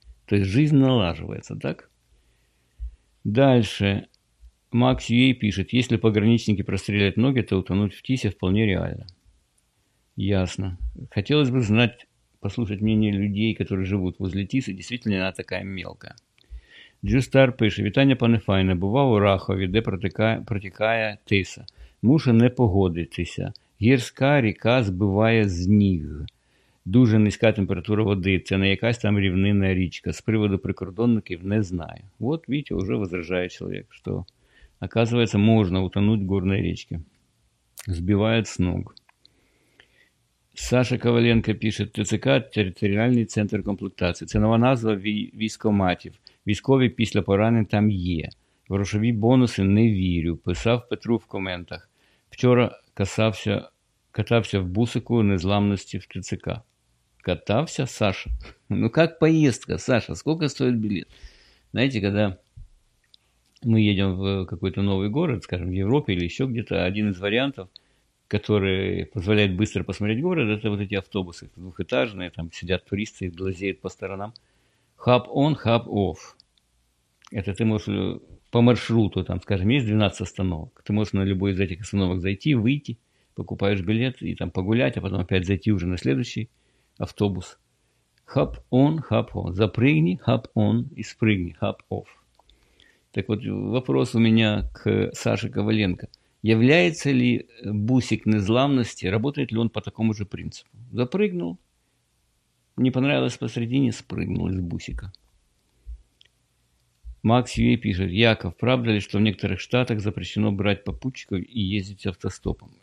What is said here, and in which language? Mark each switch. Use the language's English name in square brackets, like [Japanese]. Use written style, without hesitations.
[Russian] То есть жизнь налаживается, так? Дальше. Макс Юэй пишет, если пограничники прострелят ноги, то утонуть в тисе вполне реально. Ясно. Хотелось бы знать, послушать мнение людей, которые живут возле тисы, действительно она такая мелкая. [Ukrainian] Джустар пише, вітання пане Файне, бував у Рахові, де протікає тиса. Мушу не погодитися. Гірська ріка збиває з ніг. Дуже низька температура води, це не якась там рівнинна річка. З приводу прикордонників не знаю. От, [Russian] видите, [Ukrainian] уже возражає чоловік, що... [Russian] Оказывается, можно утонуть в горной речке. Сбивает с ног. Саша Коваленко пишет. ТЦК – территориальный центр комплектации. [Ukrainian] Це нова назва військоматів. Військові після поранень там є. Грошові бонуси не вірю. Писав Петру в коментах. Вчора катався в бусику незламності в ТЦК. [Russian] Катався, Саша? Ну, как поездка, Саша? Сколько стоит билет? Знаете, когда... Мы едем в какой-то новый город, скажем, в Европе или еще где-то. Один из вариантов, который позволяет быстро посмотреть город, это вот эти автобусы двухэтажные, там сидят туристы, глазеют по сторонам. [English] Hub on, hub off. [Russian] Это ты можешь по маршруту, там, скажем, есть 12 остановок. Ты можешь на любой из этих остановок зайти, выйти, покупаешь билет и там погулять, а потом опять зайти уже на следующий автобус. [English] Hub on, hub off. [Russian] Запрыгни, [English] hub on [Russian] и спрыгни, [English] hub off. [Russian] Так вот, вопрос у меня к Саше Коваленко. Является ли бусик незламности, работает ли он по такому же принципу? Запрыгнул, не понравилось посредине, спрыгнул из бусика. Макс Юэй пишет, Яков, правда ли, что в некоторых штатах запрещено брать попутчиков и ездить автостопом?